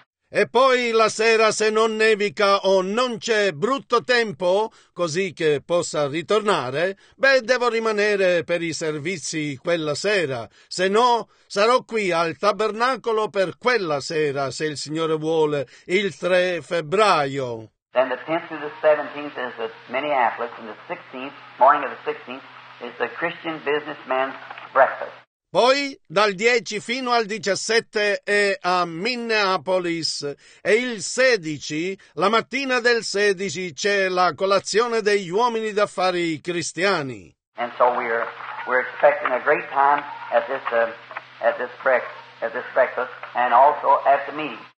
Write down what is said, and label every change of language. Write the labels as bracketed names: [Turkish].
[Italian] E poi la sera, se non nevica o non c'è brutto tempo, così che possa ritornare, beh, devo rimanere per i servizi quella sera. Se no, sarò qui al tabernacolo per quella sera, se il Signore vuole, il 3 febbraio. [English] Then the 10th through the 17th is at Minneapolis, and the 16th, morning of the 16th, is the Christian businessman's breakfast. [Italian] Poi, dal 10 fino al 17 è a Minneapolis e il 16, la mattina del 16, c'è la colazione degli uomini d'affari cristiani. [English] And so we're expecting a great time at this breakfast and also at the meeting.